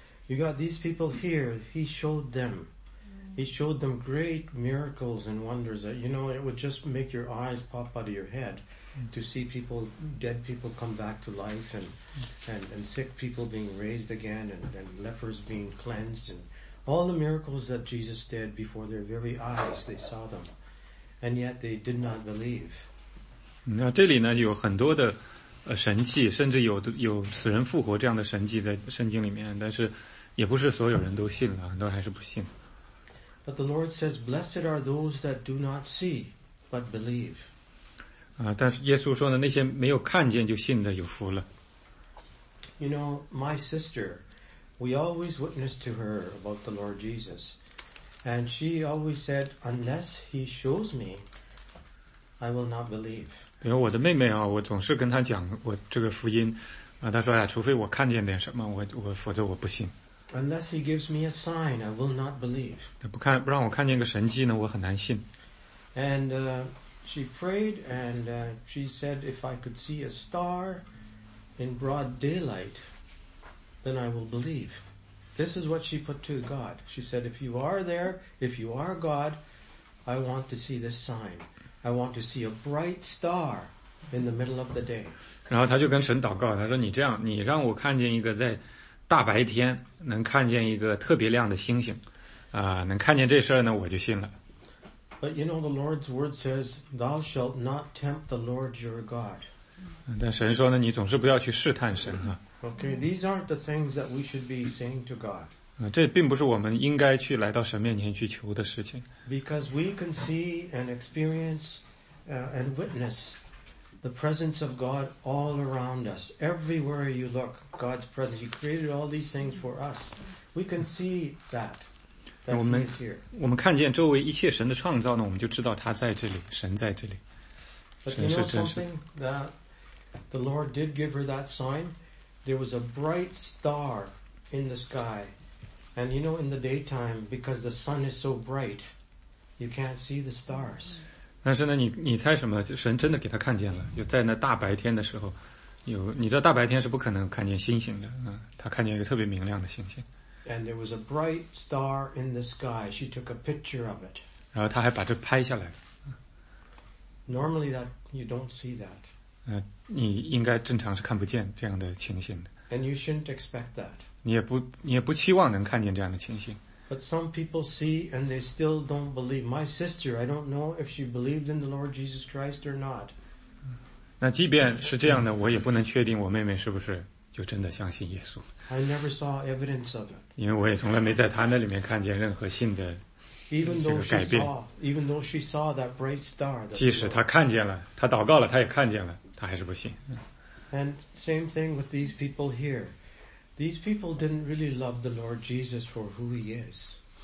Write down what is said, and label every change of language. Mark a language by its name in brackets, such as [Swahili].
[English] You got these people here. He showed them. He showed them great miracles and wonders that, you know, it would just make your eyes pop out of your head to see people, dead people come back to life and sick people being raised again and lepers being cleansed and all the miracles that Jesus did before their very eyes, they saw them. And yet they did not believe. [Chinese] 那这里呢有很多的神迹甚至有死人复活这样的神迹在圣经里面但是也不是所有人都信了很多人还是不信。 [English] But the Lord says, blessed are those that do not see, but believe. [Chinese] 但是耶稣说呢那些没有看见就信的有福了。 [English] You know, my sister, we always witnessed to her about the Lord Jesus. And she always said, unless he shows me, I will not believe. [Chinese] 因为我的妹妹啊我总是跟她讲我这个福音她说除非我看见点什么我否则我不信。 [English] Unless he gives me a sign, I will not believe. [Chinese] 不让我看见个神迹呢，我很难信。 [English] And she prayed, and she said, if I could see a star in broad daylight, then I will believe. This is what she put to God. She said, if you are there, if you are God, I want to see this sign. I want to see a bright star in the middle of the day. [Chinese] 然后她就跟神祷告，她说，你这样，你让我看见一个在大白天能看见一个特别亮的星星，能看见这事儿呢，我就信了。 [English] But you know the Lord's word says, "Thou shalt not tempt the Lord your God." [Chinese] 但神说呢，你总是不要去试探神啊。 [English] Okay, these aren't the things that we should be saying to God. [Chinese] 这并不是我们应该去来到神面前去求的事情。 [English] Because we can see and experience, and witness the presence of God all around us, everywhere you look. God's presence. He created all these things for us. We can see that. That He is here. [Chinese] 我们看见周围一切神的创造呢，我们就知道他在这里，神在这里。 [English] But you know something? That the Lord did give her that sign. There was a bright star in the sky. And you know, in the daytime, because the sun is so bright, you can't see the stars. [Chinese] 但是呢，你猜什么？神真的给他看见了，就在那大白天的时候。有你知道大白天是不可能看见星星的他看见一个特别明亮的星星。 [English] And there was a bright star in the sky. She took a picture of it. [Chinese] 然后他还把这拍下来了。 [English] Normally that, you don't see that. [Chinese] 你应该正常是看不见这样的情形的。 [English] And you shouldn't expect that. [Chinese] 你也不期望能看见这样的情形。 [English] But some people see and they still don't believe. My sister, I don't know if she believed in the Lord Jesus Christ or not. [Chinese] 那即便是这样的，我也不能确定我妹妹是不是就真的相信耶稣。 [English] I never saw evidence of it. [Chinese] 因为我也从来没在她那里面看见任何信的这个改变。 [English] Even though she saw that bright star, [Chinese] 即使她看见了，她祷告了，她也看见了，她还是不信。 [English] And same thing with these people here. These people didn't really love the Lord Jesus for who He is.